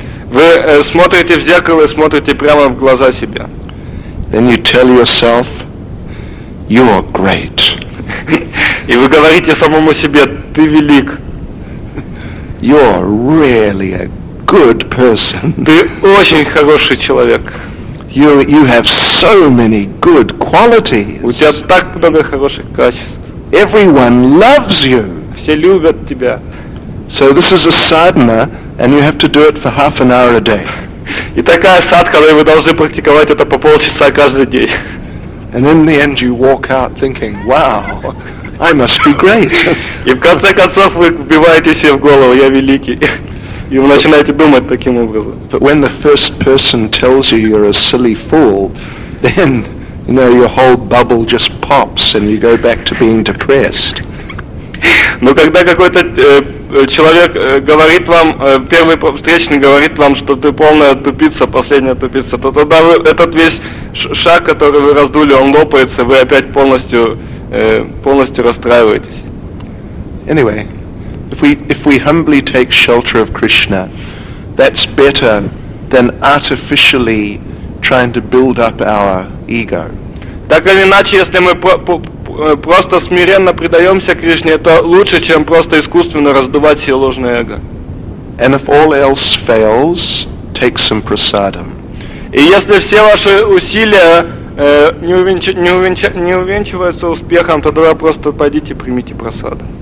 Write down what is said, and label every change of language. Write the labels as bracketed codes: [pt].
[ru] Вы смотрите в зеркало и смотрите прямо в глаза себя. [en] Then you tell yourself, you are great. [ru] И вы говорите самому себе, ты велик. [en] You are really a good person. [ru] Ты очень хороший человек. [en] You have so many good qualities. [ru] У тебя так много хороших качеств. [en] Everyone loves you. [ru] Все любят тебя. [en] So this is a sadhana, and you have to do it for half an hour a day. [ru] И такая садхана, и вы должны практиковать это по полчаса каждый день. [en] And in the end, you walk out thinking, "Wow, I must be great." [ru] И в конце концов вы вбиваете себе в голову, я великий, и вы начинаете думать таким образом. [en] But when the first person tells you you're a silly fool, then you know your whole bubble just pops, and you go back to being depressed. [ru] Но когда какой-то человек говорит вам, первый встречный говорит вам, что ты полная тупица, последняя тупица, то тогда вы, этот весь шаг, который вы раздули, он лопается, вы опять полностью расстраиваетесь. [en] Anyway, if we humbly take shelter of Krishna, that's better than artificially trying to build up our ego. [ru] Так или иначе, если мы просто смиренно предаемся Кришне, это лучше, чем просто искусственно раздувать себе ложное эго. [en] And if all else fails, take some prasadam. [ru] И если все ваши усилия не увенчиваются успехом, тогда просто пойдите примите прасаду.